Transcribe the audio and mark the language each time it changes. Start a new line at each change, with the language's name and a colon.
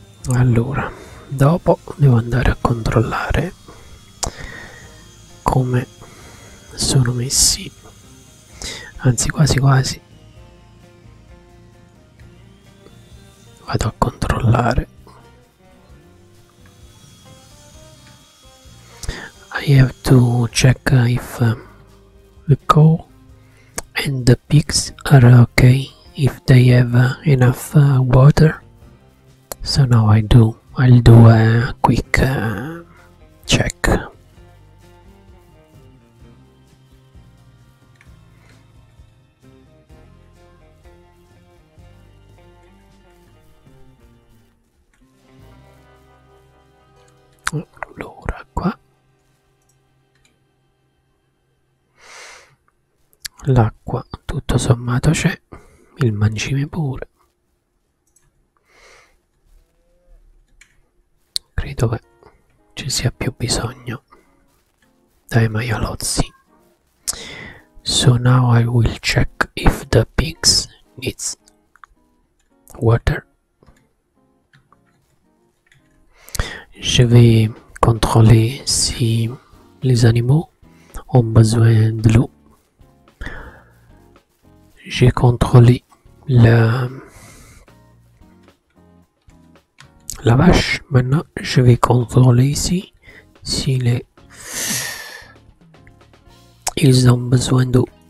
Italian: Allora, dopo devo andare a controllare come sono messi, anzi quasi quasi vado a controllare.
English: I have to check if the cow and the pigs are okay, if they have enough water. So now I'll do a quick check.
Italian: Allora, qua l'acqua tutto sommato c'è, il mangime pure, credo che ci sia più bisogno dai maialozzi.
English: So now I will check if the pigs needs water.
French: Je vais contrôler si les animaux ont besoin de l'eau. J'ai contrôlé La vache, maintenant, je vais contrôler ici si les ils ont besoin d'eau.